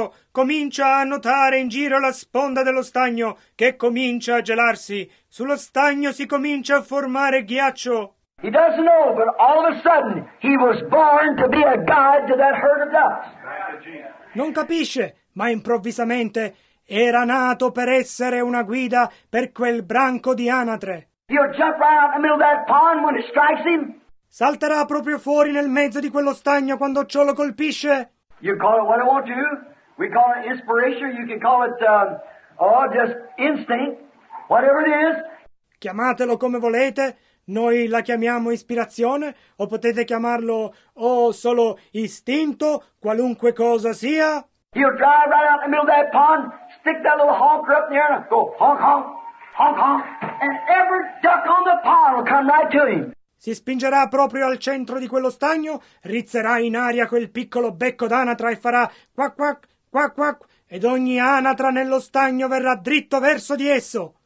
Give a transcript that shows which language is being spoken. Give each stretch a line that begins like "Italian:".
Italian: Comincia a notare in giro la sponda dello stagno che comincia a gelarsi. Sullo stagno si comincia a formare ghiaccio.
English: He doesn't know, but all of a sudden he was born to be a god to that herd of ducks.
Italian: Non capisce, ma improvvisamente era nato per essere una guida per quel branco di anatre.
English: He'll jump right out in the middle of that pond when it strikes him.
Italian: Salterà proprio fuori nel mezzo di quello stagno quando ciò lo colpisce.
English: You call it what I want to. We call it inspiration. You can call it just instinct. Whatever it is.
Italian: Chiamatelo come volete. Noi la chiamiamo ispirazione, o potete chiamarlo solo istinto, qualunque cosa sia.
English: He'll drive right out in the middle of that pond, stick that little honker up in the air, and go honk honk, honk honk, and every duck on the pond will come right to him.
Italian: Si spingerà proprio al centro di quello stagno, rizzerà in aria quel piccolo becco d'anatra e farà quack quack, quack quack, ed ogni anatra nello stagno verrà dritto verso di esso.